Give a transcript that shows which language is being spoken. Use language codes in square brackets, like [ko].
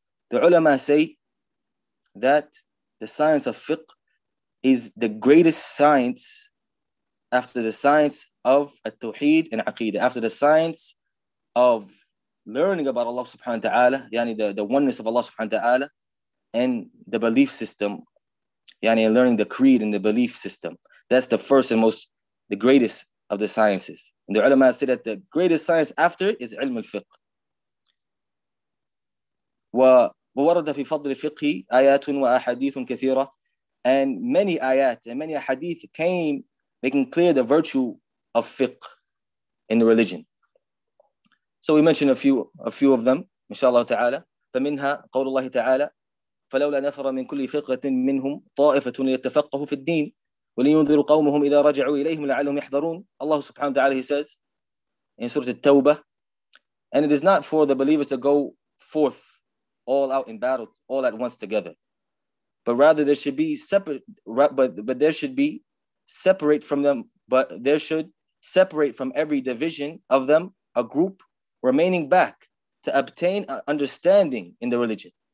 [en] The ulama say that the science of fiqh is the greatest science after the science of التوحيد and عقيدة, after the science of learning about Allah subhanahu wa ta'ala, yani the oneness of Allah subhanahu wa ta'ala, and the belief system, yani learning the creed and the belief system. That's the first and most, the greatest of the sciences. And the ulama say that the greatest science after is علم الفقه. [ar] وورد في فضل الفقه آيات وأحاديث كثيرة. [en] And many ayat and many hadith came making clear the virtue of fiqh in the religion. So we mentioned a few of them, inshallah تعالى. [ar] فمنها قول الله تعالى فلولا نفر من كل فقه منهم طائفة ليتفقهوا في الدين ولينذروا قومهم إذا رجعوا إليهم لعلهم يحذرون. [en] Allah subhanahu wa ta'ala, he says in Surah At-Tawbah, and it is not for the believers to go forth all out in battle, all at once together. But rather there should be separate, but there should be separate from them, but there should separate from every division of them, a group remaining back to obtain understanding in the religion.